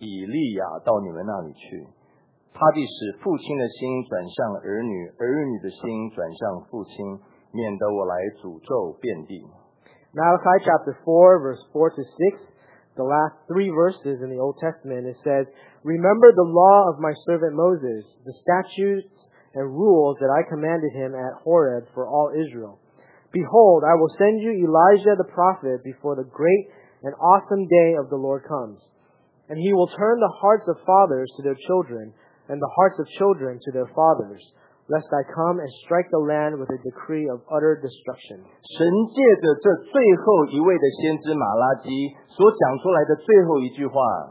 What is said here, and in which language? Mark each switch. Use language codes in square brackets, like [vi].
[zh] 马拉基书第四章第四、第五节，圣经旧约的最后两节经文说：“你们当纪念我仆人摩西的律法，就是我在何烈山为以色列众人所吩咐他的律例典章。看哪，耶和华大而可畏之日未到以前，我必差遣先知以利亚到你们那里去。” 他必使父亲的心转向儿女，儿女的心转向父亲，免得我来诅咒遍地。Malachi [en] chapter 4, verse 4 to 6, the last three verses in the Old Testament, it says, Remember the law of my servant Moses, the statutes and rules that I commanded him at Horeb for all Israel. Behold, I will send you Elijah the prophet before the great and awesome day of the Lord comes. And he will turn the hearts of fathers to their children, and the hearts of children to their fathers, lest I come and strike the land with a decree of utter destruction. [zh] 神借着这最后一位的先知马拉基所讲出来的最后一句话,